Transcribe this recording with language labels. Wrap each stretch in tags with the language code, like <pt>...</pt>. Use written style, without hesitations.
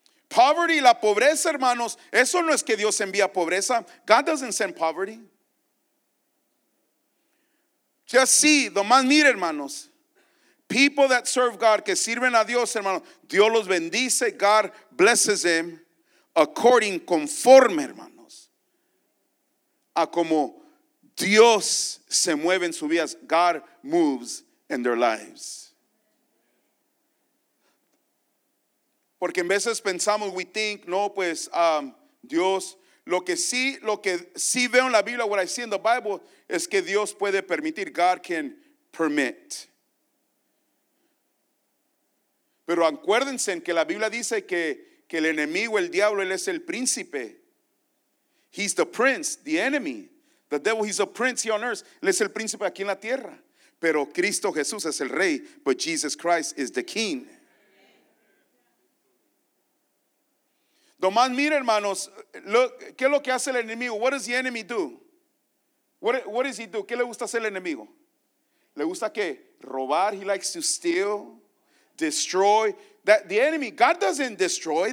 <es>Poverty, la pobreza, hermanos, eso no es que Dios envía pobreza.</es> <en>God doesn't send poverty. Just see, the man,</en> <es>mira, hermanos.</es> <en>People that serve God,</en> <es>que sirven a Dios, hermanos, Dios los bendice,</es> <en>God blesses them according,</en> <es>conforme, hermano, a como Dios se mueve en sus vidas.</es> <en>God moves in their lives.</en> <es>Porque en veces pensamos,</es> <en>we think,</en> <es>no, pues Dios, lo que sí veo en la Biblia,</es> <en>what I see in the Bible,</en> <es>es que Dios puede permitir,</es> <en>God can permit.</en> <es>Pero acuérdense en que la Biblia dice que el enemigo, el diablo, él es el príncipe.</es> <en>He's the prince, the enemy. The devil, he's a prince here on earth.</en> <es>Él es el príncipe aquí en la tierra. Pero Cristo Jesús es el rey,</es> <en>but Jesus Christ is the king.</en> <es>Nomás mira, hermanos, ¿qué es lo que hace el enemigo?</es> <en>What does the enemy do? What does he do?</en> <es>¿Qué le gusta hacer el enemigo? ¿Le gusta qué? Robar.</es> <en>He likes to steal, destroy. That the enemy, God doesn't destroy.</en>